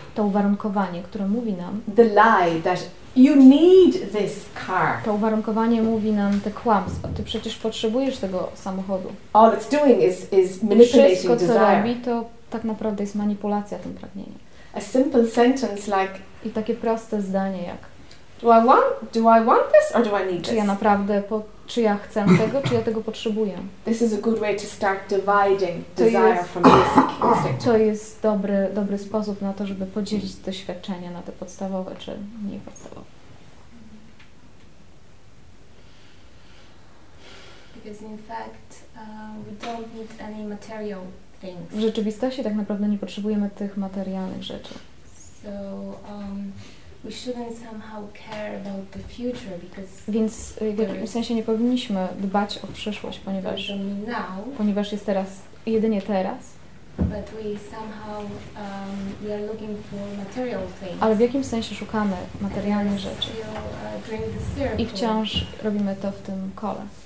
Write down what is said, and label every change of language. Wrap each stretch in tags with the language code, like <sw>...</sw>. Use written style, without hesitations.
<pl>To uwarunkowanie, które mówi nam.</pl> <en>The lie that you need this car.</en> <pl>To uwarunkowanie mówi nam te kłamstwa. Ty przecież potrzebujesz tego samochodu.</pl> <en>All it's doing is manipulating desire.</en> <pl>Wszystko, co robi, to tak naprawdę jest manipulacja tym pragnieniem.</pl> <en>A simple sentence like.</en> <pl>I takie proste zdanie jak.</pl> <en>Do I want this or do I need this?</en> <pl>Czy ja naprawdę czy ja chcę tego, czy ja tego potrzebuję?</pl> <en>This is a good way to start dividing desire from basic instinct.</en> <pl>To jest dobry sposób na to, żeby podzielić doświadczenie na te podstawowe czy mniej podstawowe.</pl> <en>Because in fact, we don't need any material things.</en> <pl>W rzeczywistości tak naprawdę nie potrzebujemy tych materialnych rzeczy.</pl> <en>So we shouldn't somehow care about the future because.</en> <pl>Więc w jakimś sensie nie powinniśmy dbać o przyszłość, ponieważ jest teraz, jedynie teraz.</pl> <en>But we somehow we are looking for material things.</en> <pl>Ale w jakimś sensie szukamy materialnych rzeczy. I wciąż robimy to w tym kole.</pl>